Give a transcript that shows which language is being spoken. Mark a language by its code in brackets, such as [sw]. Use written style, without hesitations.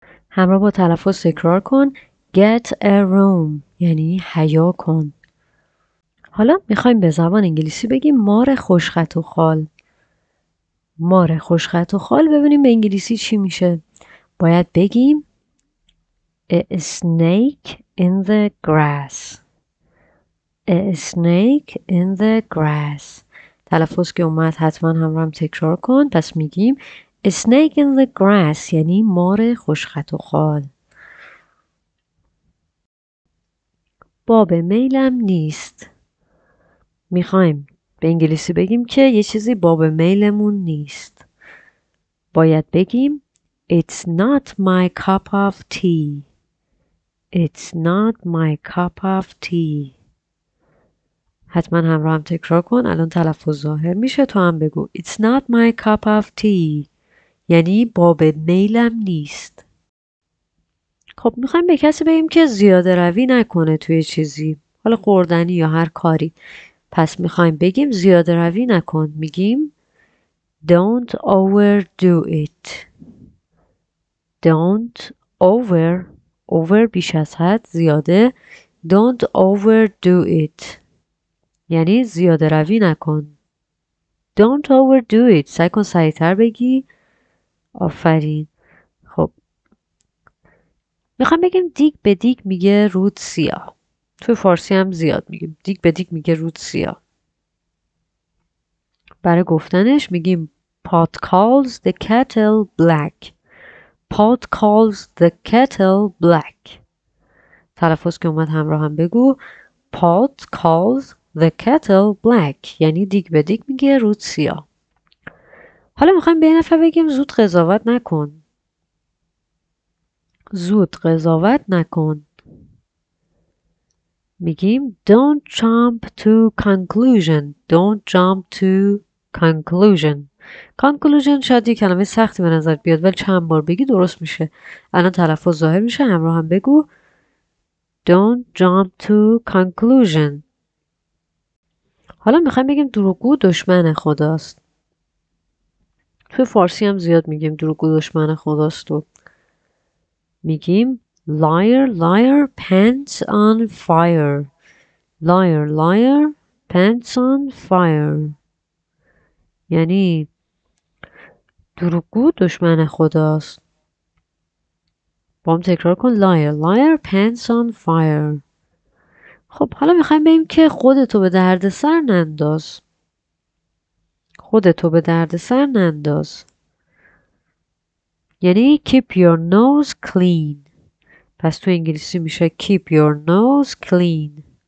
[fa] همراه با تلفظ تکرار کن، [en] get a room [fa] یعنی حیا کن. حالا میخوایم به زبان انگلیسی بگیم مار خوشخط و خال. مار خوشخط و خال ببینیم به انگلیسی چی میشه. باید بگیم [en] a snake in the grass. A snake in the grass. [fa] تلفظ که اومد حتما همراهم تکرار کن. پس میگیم [en] a snake in the grass [fa] یعنی مار خوشخط و خال. باب میلم نیست. میخوایم به انگلیسی بگیم که یه چیزی باب میلمون نیست. باید بگیم [en] It's not my cup of tea. It's not my cup of tea. [fa] حتما همراه هم تکرار کن. الان تلفظ ظاهر میشه، تو هم بگو [en] It's not my cup of tea. [fa] یعنی باب میلم نیست. خب میخوایم به کسی بگیم که زیاده روی نکنه توی چیزی، حالا خوردنی یا هر کاری. پس میخوایم بگیم زیاده روی نکن، میگیم [en] Don't overdo it. Don't over [fa] بیش از حد، زیاده. [en] Don't overdo it [fa] یعنی زیاده روی نکن. [en] Don't overdo it، [fa] سعی کن سعی تر بگی. آفرین. خب میخوام بگیم دیگ به دیگ میگه رود سیاه. توی فارسی هم زیاد میگیم دیگ به دیگ میگه رود سیاه. برای گفتنش میگیم [en] Pot calls the kettle black. Pot calls the kettle black. [fa] تلفظ که اومد همراه هم بگو [en] Pot calls the kettle black [fa] یعنی دیگ به دیگ میگه رود سیاه. حالا میخوایم به نفع بگیم زود قضاوت نکن. زود قضاوت نکن. میگیم [en] Don't jump to conclusion. Don't jump to conclusion. [fa] Conclusion شاید یه کلمه سختی به نظر بیاد، ولی چند بار بگی درست میشه. الان تلفظ ظاهر میشه، همراه هم بگو [en] Don't jump to conclusion. [fa] حالا میخوایم بگیم دروغگو دشمن خداست. تو فارسی هم زیاد میگیم دروغگو دشمن خداست و میگیم [en] Liar, liar, pants on fire. Liar, liar, pants on fire. [fa] یعنی دروغگو دشمن خداست. با هم تکرار کن [en] Liar, liar, pants on fire. [fa] خب حالا میخوایم بگیم که خودتو به درد سر ننداز. خودتو به درد سر ننداز یعنی [en] keep your nose clean. [fa] پس تو انگلیسی میشه [en] keep your nose clean.